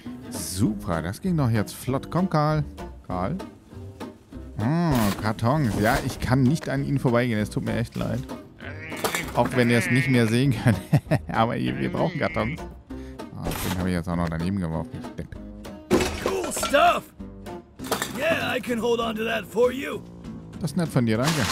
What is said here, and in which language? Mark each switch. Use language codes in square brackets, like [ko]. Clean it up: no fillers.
[de] Super, das ging doch jetzt flott. Komm, Karl. Karl? Oh, Kartons. Ja, ich kann nicht an ihnen vorbeigehen. Es tut mir echt leid. Auch wenn ihr es nicht mehr sehen könnt. Aber wir brauchen Kartons. Oh, den habe ich jetzt auch noch daneben geworfen. [en] Cool stuff! Yeah, I can hold on to that for you. [de] Das ist nett von dir, danke.